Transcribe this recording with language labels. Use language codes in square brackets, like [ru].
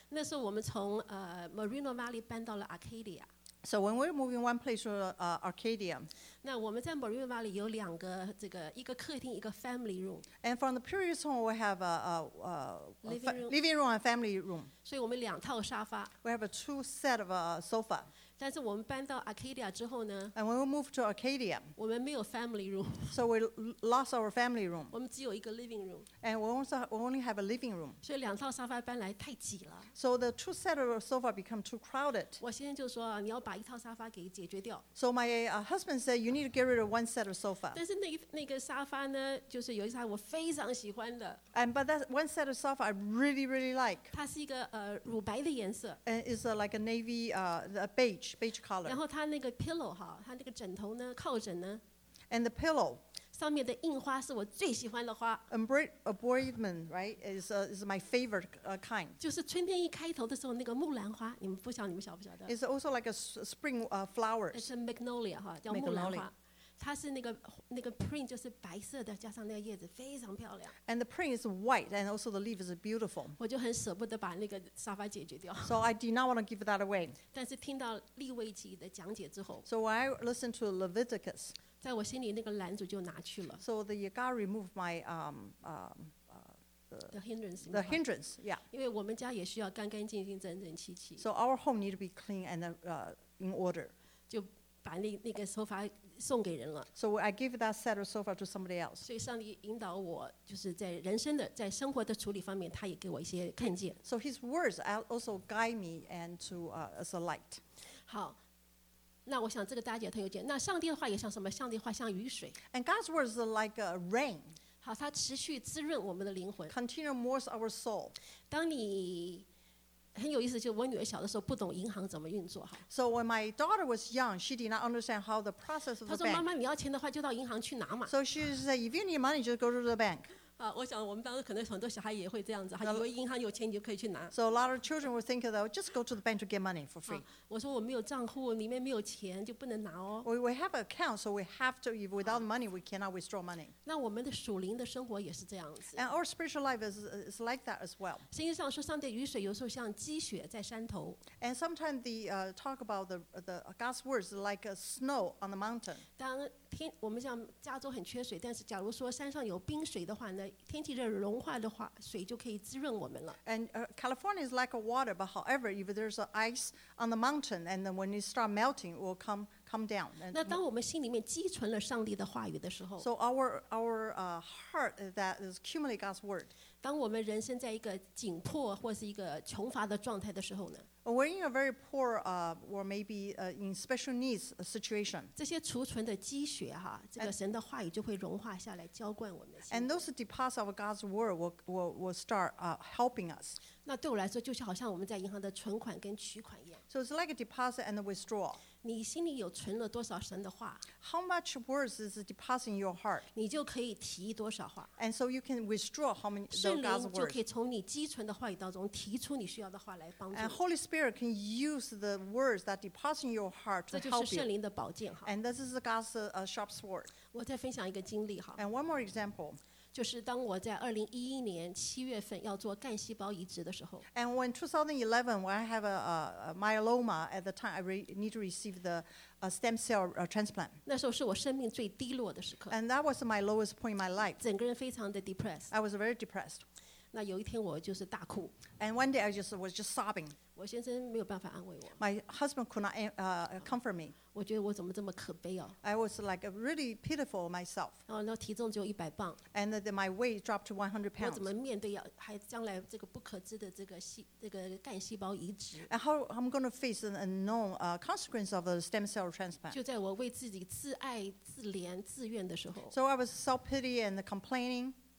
[zh] 那时候我们从Moreno Valley 搬到了 Arcadia。 [en] So when we're moving one place to Arcadia， [zh] 那我们在 Moreno Valley 有两个这个一个客厅一个 family room。 [en] And from the previous home we have a living room and family room。 [zh] 所以我们两套沙发。 [en] We have a two set of sofa。 [zh] 但是我们搬到 Arcadia 之后呢 [en] ？And when we moved to Arcadia， [zh] 我们没有 family room。 [en] So we lost our family room。 [zh] 我们只有一个 living room。 [en] And we only have a living room。 [zh] 所以两套沙发搬来太挤了。 [en] So the two set of sofa become too crowded。 [zh] 我先生就说你要把一套沙发给解决掉。 [en] So my husband said you need to get rid of one set of sofa。 [zh] 但是那个沙发呢，就是有一套我非常喜欢的。 [en] And but that one set of sofa I really really like。 [zh] 它是一个乳白的颜色。 [en] And it's like a navy a beige。 Beige color. [zh] 然后他那个 pillow 哈，他那个枕头呢，靠枕呢 [en] ，and the pillow [zh] 上面的印花是我最喜欢的花。 [en] Embroidery, right? Is my favorite kind. [zh] 就是春天一开头的时候那个木兰花，你们不晓你们晓不晓得 [en] ？It's also like a spring flowers. [zh] 是 magnolia 哈，叫木兰花。它是那个 print 就是白色的，加上那个叶子非常漂亮。 [en] And the print is white, and also the leaf is beautiful. [zh] 我就很舍不得把那个沙发解决掉。 [en] So I did not want to give that away. [zh] 但是听到利未记的讲解之后 [en] ，So when I listened to Leviticus, [zh] 在我心里那个拦阻就拿去了。 [en] So the God removed my the hindrance, yeah. [zh] 因为我们家也需要干干净净、整整齐齐。 [en] So our home need to be clean and in order. [zh] 就把那个 sofa 送给人了。 [en] So I give that set of sofa to somebody else. [zh] 所以上帝引导我，就是在人生的、在生活的处理方面，他也给我一些看见。 [en] So His words also guide me and to as a light. [zh] 好。那我想这个大姐她有点，那上帝的话也像什么？上帝的话像雨水。 [en] And God's words are like a rain. [zh] 好，它持续滋润我们的灵魂。 [en] Continue moist our soul. [zh] 当你很有意思，就我女儿小的时候不懂银行怎么运作。 [en] So when my daughter was young, she did not understand how the process of the bank. [zh] 她说：“妈妈，你要钱的话就到银行去拿嘛。” [en] So she said, "If you need money, just go to the bank." [zh] 啊，我想我们当时可能很多小孩也会这样子，还以为银行有钱你就可以去拿。 [en] So a lot of children would think that just go to the bank to get money for free. [zh] 我说我没有账户，里面没有钱就不能拿哦。 [en] We have an account, so we have to. If without money, we cannot withdraw money. [zh] 那我们的属灵的生活也是这样子。 [en] And our spiritual life is like that as well. [zh] 圣经上说，上帝雨水有时候像积雪在山头。 [en] And sometimes the talk about the God's words like a snow on the mountain. [zh] 当天我们像加州很缺水，但是假如说山上有冰水的话呢，天气热融化的话，水就可以滋润我们了。 [en] And California is like a water, but however, if there's ice on the mountain, and then when it start melting, it will come down. [zh] 那当我们心里面积存了上帝的话语的时候 [en] ，So our heart that is accumulate God's word. [zh] 当我们人生在一个紧迫或是一个穷乏的状态的时候呢？ [en] We're in a very poor, or maybe in special needs situation. [zh] 这些储存的积雪哈，这个神的话语就会融化下来，浇灌我们的心。 [en] And those deposits of God's word will start helping us. [zh] 那对我来说，就是好像我们在银行的存款跟取款一样。 [en] So it's like a deposit and a withdrawal. [zh] 你心里有存了多少神的话 [en] ？How much words is depositing your heart? [zh] 你就可以提多少话 [en] ？And so you can withdraw how many God's words. [zh] 圣灵就可以从你积存的话语当中提出你需要的话来帮助。 [en] And Holy Spirit can use the words that deposit in your heart to help you. [zh] 这就是圣灵的宝剑哈。 [en] And this is God's sharp sword. [zh] 我再分享一个经历哈。 [en] And one more example. [zh] 就是当我在2011年7月份要做干细胞移植的时候。 [en] And when 2011, when I have a myeloma, at the time I need to receive the stem cell transplant. [zh] 那时候是我生命最低落的时刻。 [en] And that was my lowest point in my life. [zh] 整个人非常的 depressed. [en] I was very depressed. [zh] 那有一天我就是大哭。 [en] And one day I was just sobbing. [zh] 我先生没有办法安慰我。 [en] My husband could not comfort me. [zh] 我觉得我怎么这么可悲哦。 [en] I was like really pitiful myself. [zh] 然后那体重只有100磅。 [en] And then my weight dropped to 100 pounds. [zh] 我怎么面对要还将来这个不可知的这个干细胞移植 [en] ？And how I'm going to face an unknown consequence of a stem cell transplant? [zh] 就在我为自己自爱、自怜、自怨的时候。 [en] So I was self pity and complaining.